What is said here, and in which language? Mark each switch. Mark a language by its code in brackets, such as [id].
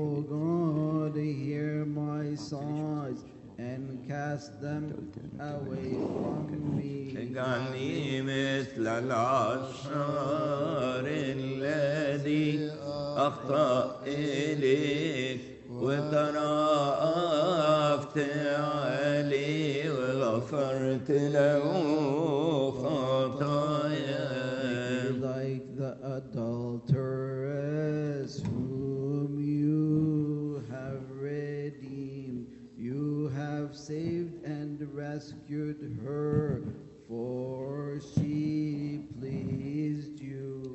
[en] God, hear my sighs and cast them away from me. [ar] اجعلني مثل العشر الذي أخطأ إليك وترأفت علي وغفرت له خطايا. [en] Like the adulteress whom you have redeemed, you have saved and rescued her, for she pleased you.